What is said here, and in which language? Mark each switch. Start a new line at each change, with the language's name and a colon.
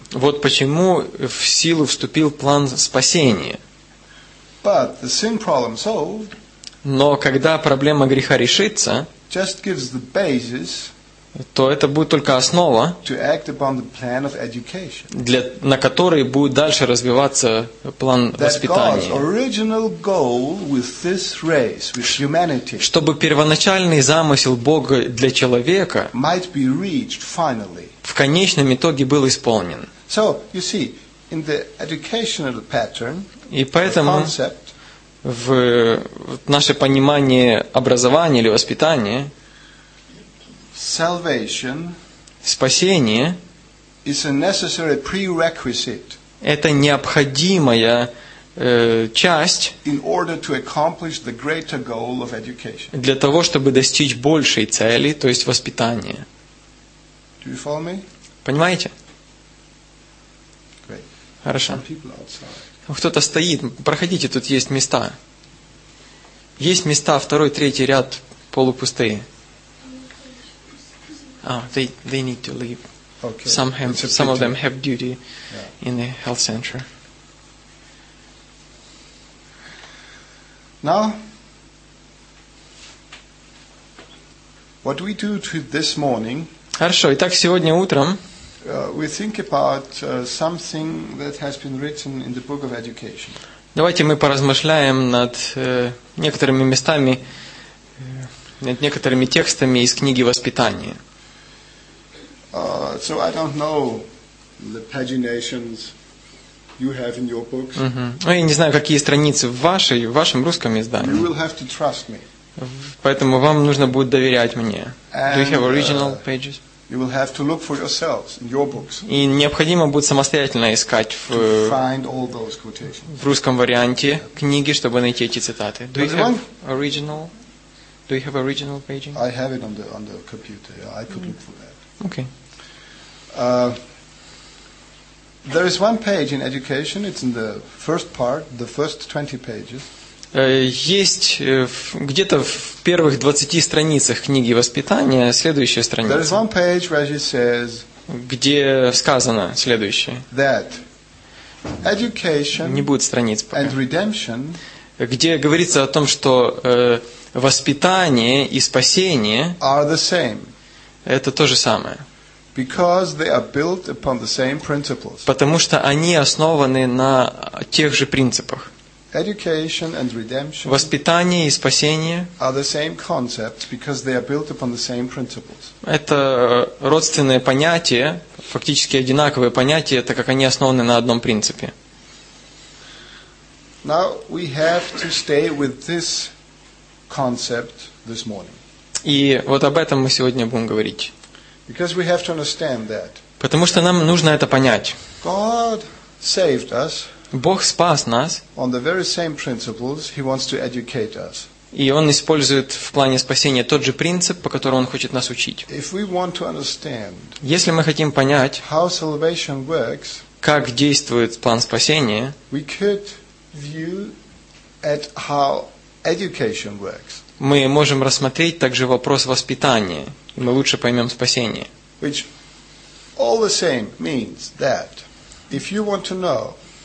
Russian: Вот почему в силу вступил план спасения.
English: But the sin problem solved.
Russian: Но когда проблема греха решится,
English: just gives the basis,
Russian: то это будет только основа,
English: to act upon the plan of education,
Russian: для на которой будет дальше развиваться план
English: that
Russian: воспитания.
English: God's original goal with this race, with humanity,
Russian: чтобы первоначальный замысел Бога для человека
English: might be reached finally,
Russian: в конечном итоге был исполнен.
English: So you see, in the educational pattern.
Russian: И поэтому в наше понимание образования или воспитания
English: salvation
Russian: спасение
English: is a necessary prerequisite,
Russian: это необходимая часть
English: in order to accomplish the greater goal of education.
Russian: Для того, чтобы достичь большей цели, то есть воспитания.
English: Do you follow me?
Russian: Понимаете?
English: Great.
Russian: Хорошо.
English: Some people outside.
Russian: Кто-то стоит, проходите, тут есть места. Есть места, второй, третий ряд, полупустые.
English: They need to leave. Okay. Some of them have duty in the health center. Now, what we do to this morning?
Russian: Хорошо. Итак, сегодня утром.
English: We think about something that has been written in the book of education.
Russian: Давайте мы поразмышляем над некоторыми местами, над некоторыми текстами из книги воспитания.
English: So I don't know the paginations you have in your books.
Russian: Я не знаю, какие страницы в вашем русском издании.
English: You will have to trust me.
Russian: Поэтому вам нужно будет доверять мне.
English: And, do you have original pages? You will have to look for yourselves in your books.
Russian: И необходимо будет самостоятельно искать в русском варианте книги, чтобы найти эти цитаты.
English: Do you have original? Do you have original paging? I have it on the computer. I could look for that. Okay. There is one page in education. It's in the first part, the first 20 pages.
Russian: Есть где-то в первых 20 страницах книги воспитания следующая страница.
English: There is one page where she says,
Russian: где сказано следующее.
English: That education
Russian: не будет страниц пока.
English: And redemption,
Russian: где говорится о том, что воспитание и спасение
English: are the same.
Russian: Это то же самое.
English: Because they are built upon the same principles.
Russian: Потому что они основаны на тех же принципах.
English: Education and redemption.
Russian: Воспитание и спасение.
English: Are the same concepts because they are built upon the same principles.
Russian: Это родственные понятия, фактически одинаковые понятия, так как они основаны на одном принципе.
English: Now we have to stay with this concept this morning.
Russian: И вот об этом мы сегодня будем говорить.
English: Because we have to understand that.
Russian: Потому что нам нужно это понять.
English: God saved us.
Russian: Бог спас нас.
English: On the very same principles, he wants to educate us.
Russian: И Он использует в плане спасения тот же принцип, по которому Он хочет нас учить.
English: If we want to understand,
Russian: если мы хотим понять,
English: how salvation works,
Russian: как действует план спасения,
English: we could view at how education works.
Russian: Мы можем рассмотреть также вопрос воспитания, и мы лучше поймем спасение.
English: Which all the same means that if you want to know.